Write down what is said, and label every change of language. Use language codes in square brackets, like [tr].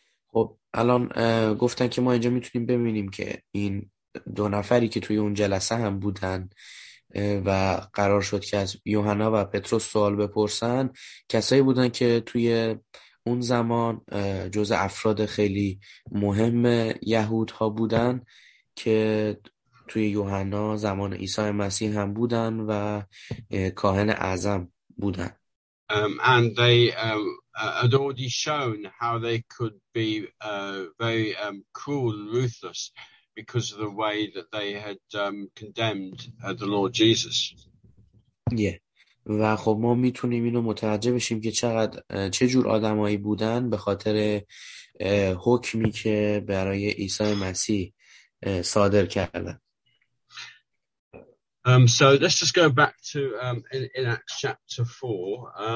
[fa] خب الان گفتن که ما اینجا میتونیم ببینیم که این دو نفری که توی اون جلسه هم بودن و قرار شد که از یوحنا و پتروس سوال بپرسن کسایی بودن که توی اون زمان جز افراد خیلی مهم یهودها بودن که توی یوحنا زمان عیسی مسیح هم بودن و کاهن اعظم بودن. [en] Had already shown how they could be very cruel and ruthless because of the way that they had condemned the Lord Jesus. Yeah. [fa] و خب ما میتونیم اینو متوجه بشیم که چقدر چه جور آدمایی بودن به خاطر حکمی که برای عیسی مسیح صادر کردن. [en] So let's just go back to in Acts chapter 4.